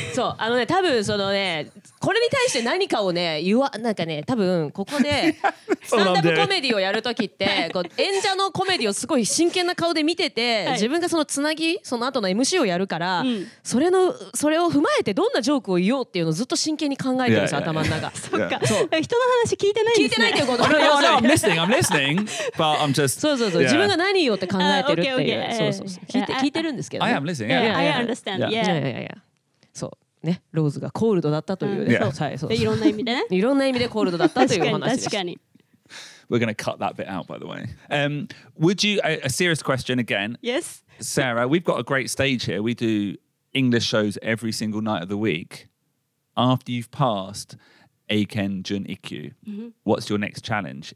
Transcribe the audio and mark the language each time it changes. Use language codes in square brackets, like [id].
[ja] そう、あのね、多分そのね、これに対して何かをね、言わ、なんかね、多分ここでスタンダップコメディをやるときってこう演者のコメディをすごい真剣な顔で見てて、はい、自分がそのつなぎ、その後の MC をやるから、うん、それを踏まえてどんなジョークを言おうっていうのをずっと真剣に考えてるんですよ、yeah, yeah, yeah. 頭の中。そっか、そう、人の話聞いてないんですね。聞いてないっていうこと。 [en] No, no, I'm listening, I'm listening, but I'm just… [ja] そうそうそう、自分が何言おうって考えてるっていう。 [en] Okay, okay. [ja] そうそうそう、聞いてるんですけど、 [en] ね。I am listening, yeah. Yeah, yeah, yeah. I understand, yeah. Yeah, yeah, yeah. [ja] そう。ね、ローズがコールドだったというね、はい、そう、いろんな意味でね、いろんな意味でコールドだったという話です。確かに、確かに。 [en] We're gonna cut that bit out, by the way. Would you a serious question again? Yes. Sarah, we've got a great stage here. We do English shows every single night of the week. After you've passed Eiken Jun Ikkyu, what's your next challenge?